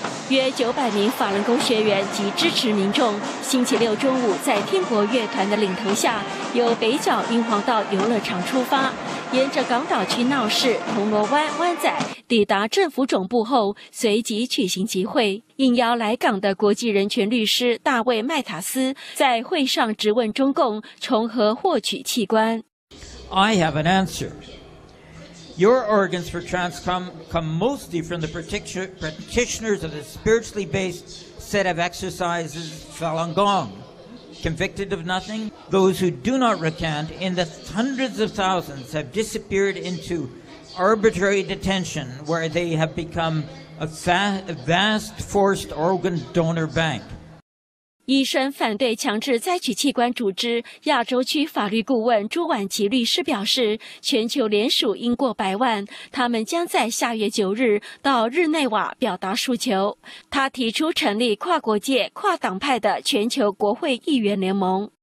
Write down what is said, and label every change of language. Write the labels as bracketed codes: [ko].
[zh] 约900名法轮功学员及支持民众星期六中午在天国乐团的领头下，由北角英皇道游乐场出发，沿着港岛区闹市、铜锣湾、湾仔抵达政府总部后，随即举行集会。应邀来港的国际人权律师大卫·麦塔斯在会上质问中共从何获取器官。 [en] I have an answer. Your organs for Transcom come mostly from the practitioners of the spiritually based set of exercises Falun Gong. Convicted of nothing, those who do not recant in the hundreds of thousands have disappeared into arbitrary detention where they have becomea vast forced organ donor bank. [zh] 医生反对强制摘取器官组织，亚洲区法律顾问朱婉琪律师表示，全球联署应过百万，他们将在下月九日到日内瓦表达诉求。他提出成立跨国界、跨党派的全球国会议员联盟，